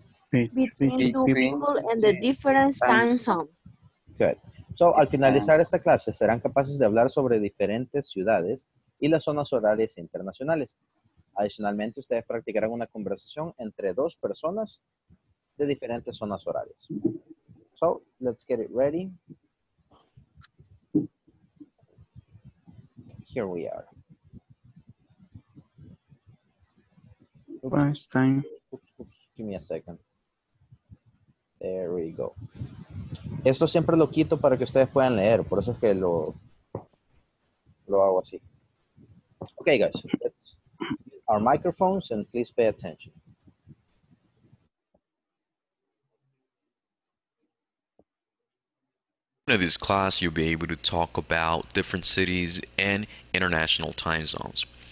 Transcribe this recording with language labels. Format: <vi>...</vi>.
<en>Between two people in the different time zones. Good.</en> <es>So, al finalizar esta clase, serán capaces de hablar sobre diferentes ciudades y las zonas horarias internacionales. Adicionalmente, ustedes practicarán una conversación entre dos personas de diferentes zonas horarias.</es> <en>So, let's get it ready. Here we are. Oops. Oops. Give me a second. There we go.</en> <es>Esto siempre lo quito para que ustedes puedan leer. Por eso es que lo hago así.</es> <en>Okay, guys. Let's use our microphones and please pay attention. In this class, you'll be able to talk about different cities and international time zones.</en>